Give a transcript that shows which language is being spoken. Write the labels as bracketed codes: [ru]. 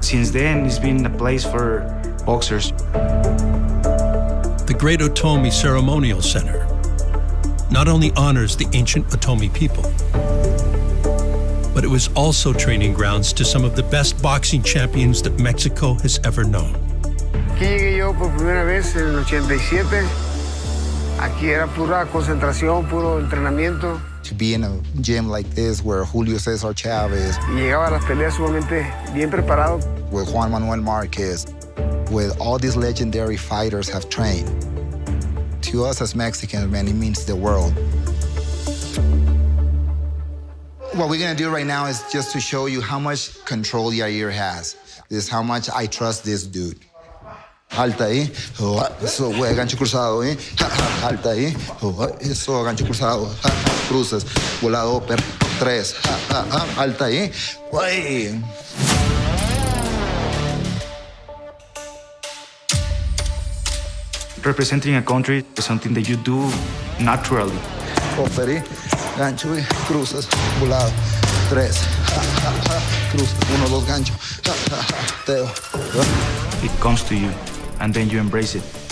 [en] Since then, it's been a place for boxers. The Great Otomi Ceremonial Center not only honors the ancient Otomi people, but it was also training grounds to some of the best boxing champions that Mexico has ever known. [es] Aquí llegué yo por primera vez en el 87. Aquí era pura concentración, puro entrenamiento. [en] To be in a gym like this where Julio César Chávez. [es] Y llegaba a las peleas sumamente bien preparado. [en] With Juan Manuel Márquez, with all these legendary fighters have trained. To us as Mexicans, man, it means the world. What we're gonna do right now is just to show you how much control Yair has. This is how much I trust this dude. [es] Alta ahí, eso, güey, gancho cruzado, ¿eh? Alta ahí, eso, gancho cruzado, cruces, volado, tres, alta ahí, güey. [en] Representing a country is something that you do naturally. [es] Operi, gancho, cruces, volado, tres, cruces, uno, dos, gancho, teo. [en] It comes to you. And then you embrace it.